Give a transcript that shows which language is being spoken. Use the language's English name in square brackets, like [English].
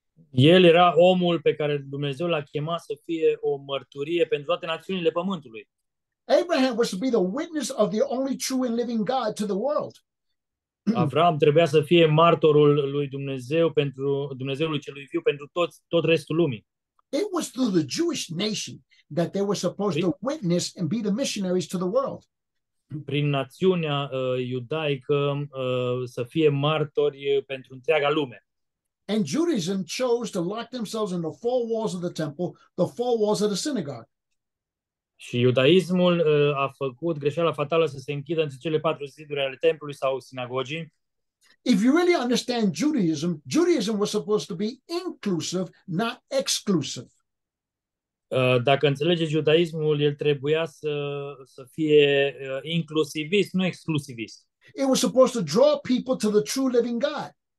[Romanian] El era omul pe care Dumnezeu l-a chemat să fie o mărturie pentru toate națiunile pământului. [English] Abraham was to be the witness of the only true and living God to the world. [Romanian] Avram trebuia să fie martorul lui Dumnezeu pentru Dumnezeului celui viu pentru tot restul lumii. [English] It was through the Jewish nation that they were supposed to witness and be the missionaries to the world. [Romanian] Prin națiunea iudaică să fie martori pentru întreaga lume. [English] And Judaism chose to lock themselves in the four walls of the temple, the four walls of the synagogue. [Romanian] Și iudaismul a făcut greșeala fatală să se închidă între cele patru ziduri ale templului sau sinagogii. [English] If you really understand Judaism, Judaism was supposed to be inclusive, not exclusive. [Romanian] Dacă înțelegeți iudaismul, el trebuia să fie inclusivist, nu exclusivist. [English] It was supposed to draw people to the true living God.